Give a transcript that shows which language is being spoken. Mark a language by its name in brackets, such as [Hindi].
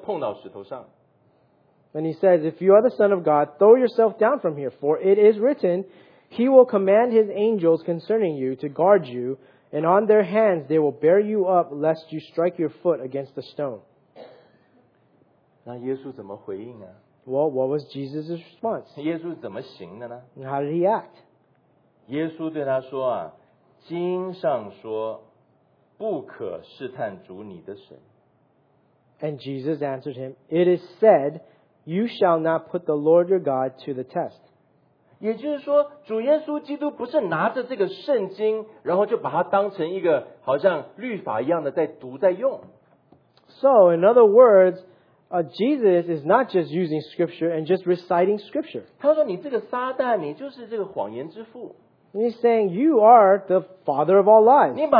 [Chinese] 所以第十节他就说,你看,你要从这儿跳下去,因为经上记着说,主要为你吩咐他的使者保护你,他们要用手托着你,免得你的脚碰到石头上。 [English] And he says, if you are the Son of God, throw yourself down from here, for it is written, he will command his angels concerning you to guard you, and on their hands they will bear you up, lest you strike your foot against the stone. [Chinese] 那耶稣怎么回应啊? [English] Well, what was Jesus' response? [Chinese] 耶稣怎么行的呢? [English] How did he act? [Chinese] 耶稣对他说啊, 经上说, 不可试探主你的神。 [English] And Jesus answered him, it is said, you shall not put the Lord your God to the test. [Chinese] 也就是说, 主耶稣基督不是拿着这个圣经, 然后就把它当成一个好像律法一样的在读在用。 [English] So, in other words, Jesus is not just using scripture and just reciting scripture. [Chinese] 他说你这个撒旦, [English] he's saying, you are the father of all lies.